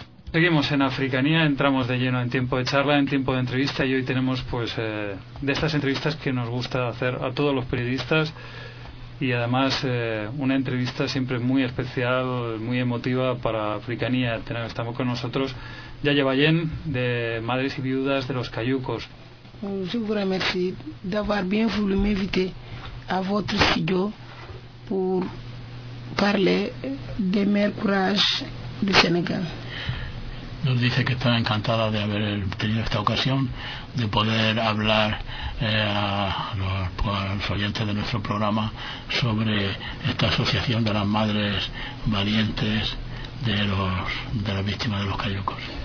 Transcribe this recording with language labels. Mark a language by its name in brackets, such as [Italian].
[Spanish] Seguimos en Africanía, entramos de lleno en tiempo de charla, en tiempo de entrevista, y hoy tenemos pues de estas entrevistas que nos gusta hacer a todos los periodistas, y además una entrevista siempre muy especial, muy emotiva para Africanía. Estamos con nosotros Yaye Bayén, de Madres y Viudas de los Cayucos. [French] Je vous remercie d'avoir bien voulu m'inviter à votre studio pour parler des mères courage du Sénégal. [Spanish] Nos dice que está encantada de haber tenido esta ocasión de poder hablar a los oyentes de nuestro programa sobre esta asociación de las madres valientes de las víctimas de los cayucos.